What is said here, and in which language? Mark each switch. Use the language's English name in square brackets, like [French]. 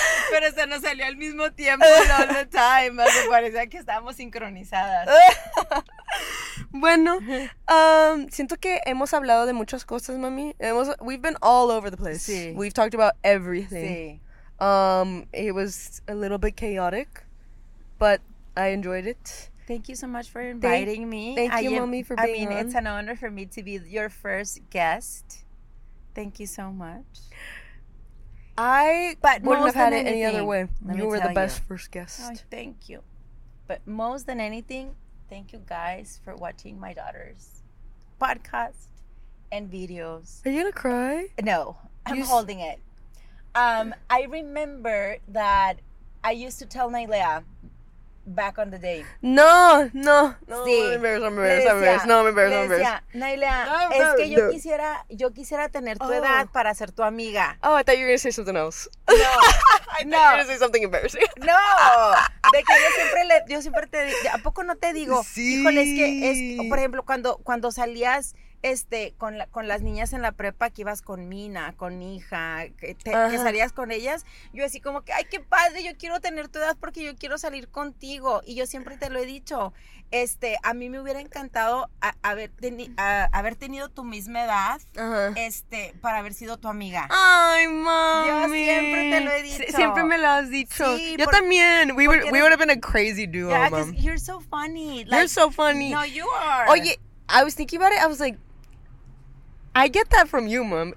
[Spanish] Pero se nos salió al mismo tiempo [English] all the time. [Spanish] Me parecía que estábamos sincronizadas. Bueno, siento que hemos hablado de muchas cosas, mami. [English] We've been all over the place. [Spanish] Sí. [English] We've talked about everything. [Spanish] Sí. [English] It was a little bit chaotic, but I enjoyed it. Thank you so much for inviting me. Thank you, mommy, for being on. I mean, on. It's an honor for me to be your first guest. Thank you so much. I but wouldn't have had it anything. Any other way. Let you were the best you. First guest. Oh, thank you. But most than anything... Thank you guys for watching my daughter's podcast and videos. Are you gonna cry? No, I'm holding it. I remember that I used to tell Nailea back on the day. No. Sí. I'm embarrassed. [Spanish] Nailea, es que yo quisiera tener tu edad para ser tu amiga. [English] Oh, I thought you were gonna say something else. No. I thought you were gonna say something embarrassing. No. [Spanish] De que yo siempre te digo, ¿a poco no te digo? Sí. Híjole, es que, por ejemplo, cuando salías con las niñas en la prepa, que ibas con Mina, con hija, que salías con ellas, yo así como que, ay, qué padre, yo quiero tener tu edad porque yo quiero salir contigo. Y yo siempre te lo he dicho, a mí me hubiera encantado haber tenido tu misma edad, para haber sido tu amiga. Ay, mami. Yo siempre te lo he dicho. Siempre me lo has dicho. Sí, yo también. [English] We would have been a crazy duo, yeah, mom. Yeah, because you're so funny. Like, you're so funny. No, you are. Oye, I was thinking about it. I was like, I get that from you, mom.